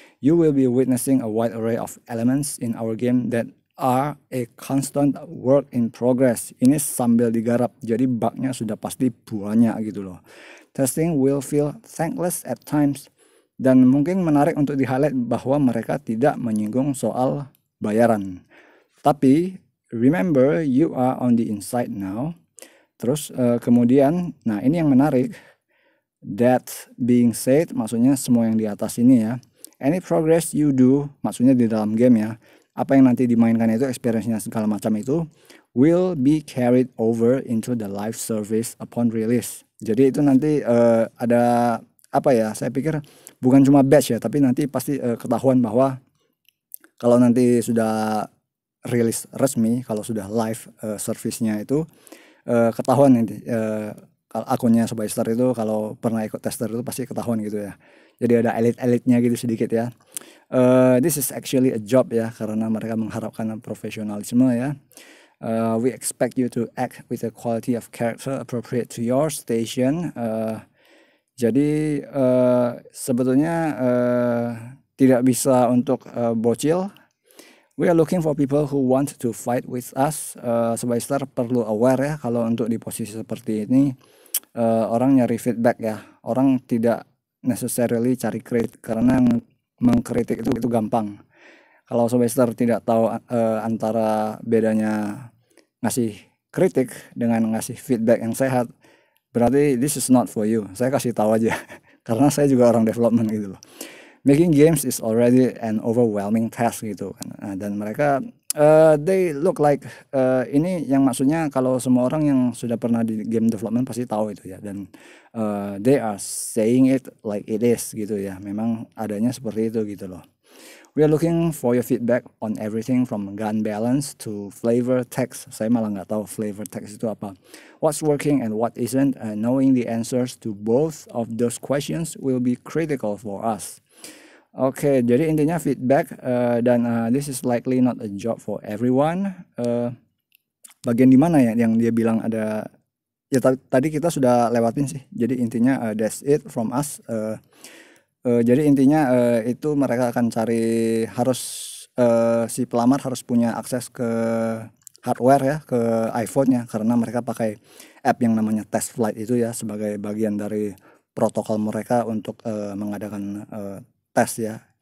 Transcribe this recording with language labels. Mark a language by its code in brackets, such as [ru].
[en] You will be witnessing a wide array of elements in our game that are a constant work in progress. [id] Ini sambil digarap, jadi bugnya sudah pasti banyak gitu loh. [en] testing will feel thankless at times. [id] Dan mungkin menarik untuk di-highlight bahwa mereka tidak menyinggung soal bayaran. Tapi, [en] remember you are on the inside now. [id] Terus kemudian, nah ini yang menarik. [en] That being said, [id] maksudnya semua yang di atas ini ya. [en] Any progress you do, [id] maksudnya di dalam game ya. Apa yang nanti dimainkan itu, experience-nya segala macam itu, [en] will be carried over into the live service upon release. [id] Jadi itu nanti ada apa ya, saya pikir bukan cuma batch ya, tapi nanti pasti ketahuan bahwa kalau nanti sudah rilis resmi, kalau sudah live service-nya itu, ketahuan nanti akunnya Sobaister itu, kalau pernah ikut tester itu pasti ketahuan gitu ya. Jadi ada elit-elitnya gitu sedikit ya. [en] This is actually a job [id] ya, karena mereka mengharapkan profesionalisme ya. [en] We expect you to act with a quality of character appropriate to your station. [id] Jadi sebetulnya tidak bisa untuk bocil. [en] We are looking for people who want to fight with us. [id] Sobaister perlu aware ya, kalau untuk di posisi seperti ini, orang nyari feedback ya. Orang tidak necessarily cari kritik, karena mengkritik itu gampang. Kalau Sobaister tidak tahu antara bedanya ngasih kritik dengan ngasih feedback yang sehat, berarti [en] this is not for you. [id] Saya kasih tahu aja, karena saya juga orang development gitu loh. [en] Making games is already an overwhelming task [id] gitu. Nah, dan mereka, [en] they look like, [id] ini yang maksudnya kalau semua orang yang sudah pernah di game development pasti tahu itu ya. Dan [en] they are saying it like it is [id] gitu ya. Memang adanya seperti itu gitu loh. [en] We are looking for your feedback on everything from gun balance to flavor text. [id] Saya malah gak tahu flavor text itu apa. [en] What's working and what isn't, knowing the answers to both of those questions will be critical for us. [id] Okay, jadi intinya feedback, dan [en] this is likely not a job for everyone. [id] Bagian di mana ya yang dia bilang ada, ya tadi kita sudah lewatin sih. Jadi intinya [en] that's it from us. [id] Jadi intinya itu mereka akan cari, harus si pelamar harus punya akses ke hardware ya, ke iPhone-nya, karena mereka pakai app yang namanya test flight itu ya, sebagai bagian dari protokol mereka untuk mengadakan tes ya.